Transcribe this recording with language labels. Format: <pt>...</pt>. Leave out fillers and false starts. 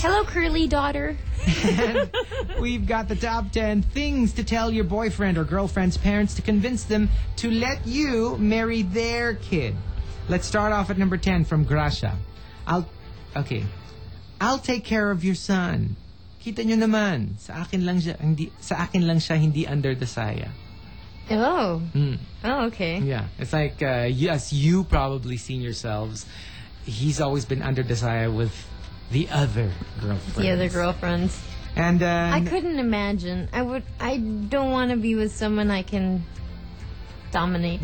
<en>Hello curly daughter. And we've got the top 10 things to tell your boyfriend or girlfriend's parents to convince them to let you marry their kid. Let's start off at number 10 from Grasha. I'll take care of your son.</en> <tl>Kita nyo naman, sa akin lang siya hindi</tl> <en>under the saya. Oh, okay. Yeah, it's like, as you probably seen yourselves, he's always been under the saya with the other girlfriends. And I couldn't imagine. I don't want to be with someone I can dominate.</en>